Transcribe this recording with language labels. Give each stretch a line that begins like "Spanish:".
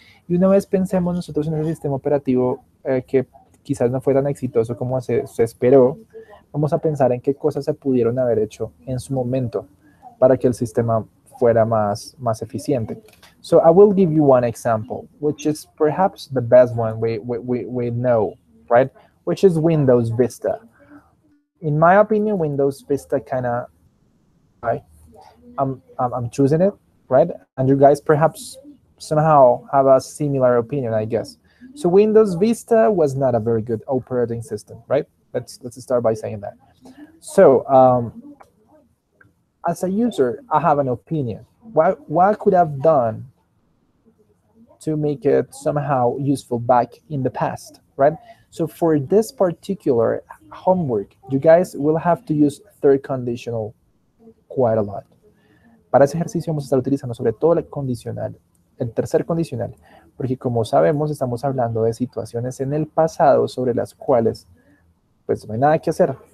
Spanish: Y una vez pensemos nosotros en el sistema operativo que quizás no fue tan exitoso como se esperó, vamos a pensar en qué cosas se pudieron haber hecho en su momento para que el sistema fuera más eficiente.
English: So I will give you one example, which is perhaps the best one we know, right? Which is Windows Vista. In my opinion, Windows Vista kind of, right? I'm choosing it, right? And you guys perhaps somehow have a similar opinion, I guess. So Windows Vista was not a very good operating system, right? Let's start by saying that. So as a user, I have an opinion. What could I have done to make it somehow useful back in the past, right? So for this particular homework, you guys will have to use third conditional quite a lot.
Spanish: Para ese ejercicio vamos a estar utilizando sobre todo el tercer condicional. Porque como sabemos, estamos hablando de situaciones en el pasado sobre las cuales, pues, no hay nada que hacer.